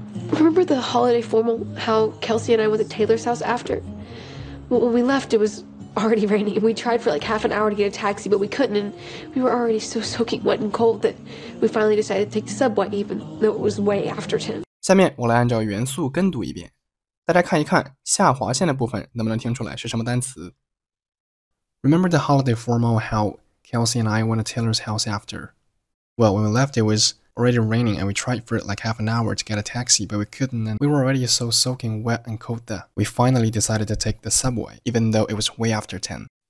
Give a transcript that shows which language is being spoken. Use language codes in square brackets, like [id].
[en] Remember the holiday formal? How Kelsey and I went to Taylor's house after? When we left, it was already raining, and we tried for like half an hour to get a taxi, but we couldn't, and we were already so soaking wet and cold that we finally decided to take the subway, even though it was way after 10. [zh] 下面我来按照元素跟读一遍，大家看一看下划线的部分能不能听出来是什么单词。 [en] Remember the holiday formal? How Kelsey and I went to Taylor's house after? Well, when we left, it was already raining, and we tried for like half an hour to get a taxi, but we couldn't, and we were already so soaking wet and cold that we finally decided to take the subway, even though it was way after 10.